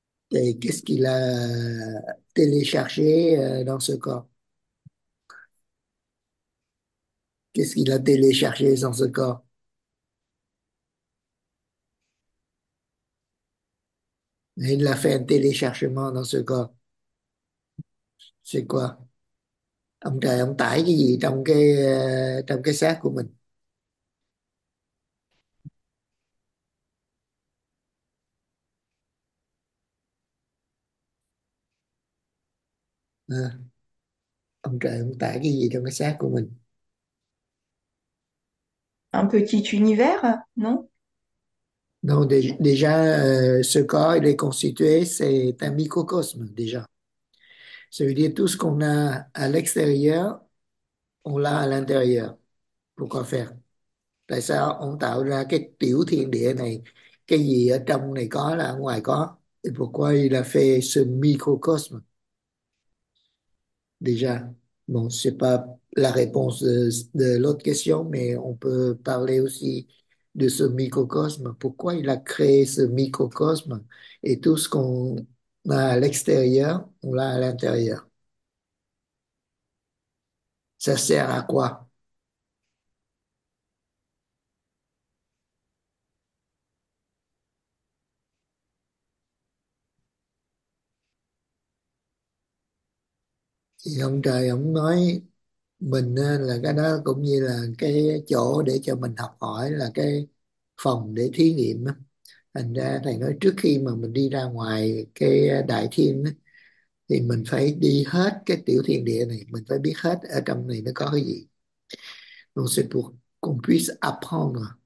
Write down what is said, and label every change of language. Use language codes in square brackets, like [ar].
[fr] Et qu'est-ce qu'il a téléchargé dans ce corps? Qu'est-ce qu'il a téléchargé dans ce corps? Il a fait un téléchargement dans ce corps. C'est quoi? [vi] Ông trời ông tải cái gì trong cái xác của mình? À, ông trời ông tải cái gì trong cái xác của mình? [fr] Un petit univers, non? Non, déjà, ce corps, il est constitué, c'est un microcosme, déjà. Ça veut dire tout ce qu'on a à l'extérieur, on l'a à l'intérieur. Pourquoi faire? [vi] Tại sao on tạo ra cái tiểu thiên địa này? Cái gì ở trong này có là ở ngoài có? [fr] Et pourquoi il a fait ce microcosme? Déjà, bon, ce n'est pas la réponse de l'autre question, mais on peut parler aussi de ce microcosme. Pourquoi il a créé ce microcosme et tout ce qu'on là à l'extérieur, on l'a à l'intérieur. Ça sert à quoi? [vi] Thì ông trời ông nói mình là cái đó cũng như là cái chỗ để cho mình học hỏi, là cái phòng để thí nghiệm. Thành ra thầy nói trước khi mà mình đi ra ngoài cái đại thiên ấy, thì mình phải đi hết cái tiểu thiên địa này, mình phải biết hết ở trong này nó có cái gì. [fr] Donc c'est pour qu'on puisse apprendre.